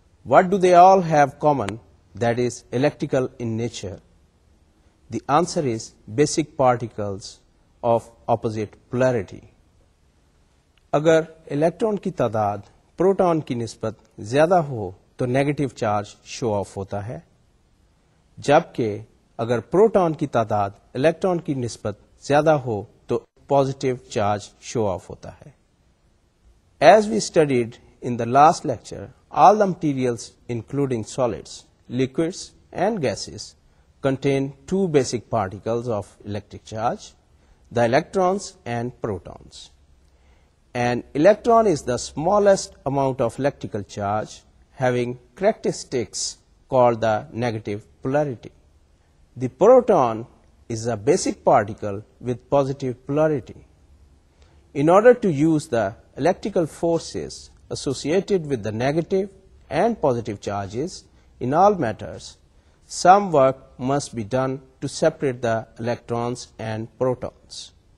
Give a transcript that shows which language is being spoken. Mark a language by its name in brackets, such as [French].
[English] What do they all have common that is electrical in nature? The answer is basic particles of opposite polarity. [Urdu] اگر electron کی تعداد proton کی نسبت زیادہ ہو تو نیگیٹو چارج شو آف ہوتا ہے, جبکہ اگر پروٹون کی تعداد الیکٹران کی نسبت زیادہ ہو تو پازیٹو چارج شو آف ہوتا ہے. [English] As we studied in the last lecture, all the materials including solids, liquids and gases contain two basic particles of electric charge, the electrons and protons. An electron is the smallest amount of electrical charge having characteristics called the negative polarity. The proton is a basic particle with positive polarity. In order to use the electrical forces associated with the negative and positive charges in all matters, some work must be done to separate the electrons and protons.